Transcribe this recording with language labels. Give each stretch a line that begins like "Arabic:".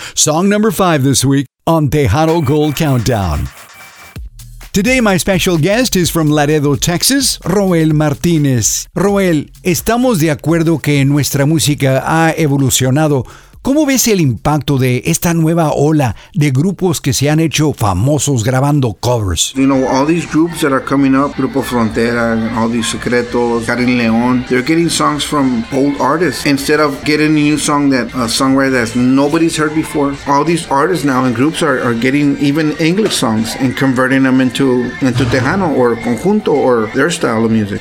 English: Song number 5 this week on Tejano Gold Countdown. Today my special guest is from Laredo, Texas, Roel Martínez.
Spanish: Roel, estamos de acuerdo que nuestra música ha evolucionado. ¿Cómo ves el impacto de esta nueva ola de grupos que se han hecho famosos grabando covers?
English: You know, all these groups that are coming up, Grupo Frontera, all these Secretos, Karin León, they're getting songs from old artists. Instead of getting a new song that a songwriter that nobody's heard before, all these artists now and groups are getting even English songs and converting them into Tejano or Conjunto or their style of music.